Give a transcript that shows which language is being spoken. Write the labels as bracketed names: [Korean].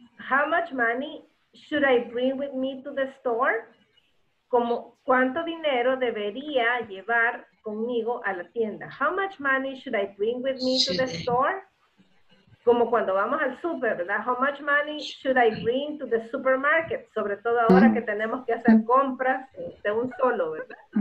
[English] How much money should I bring with me to the store? [Spanish] Como, ¿cuánto dinero debería llevar conmigo a la tienda? [English] How much money should I bring with me to the store? [Spanish] Como cuando vamos al super, ¿verdad? [English] How much money should I bring to the supermarket? [Spanish] Sobre todo ahora que tenemos que hacer compras de un solo, ¿verdad?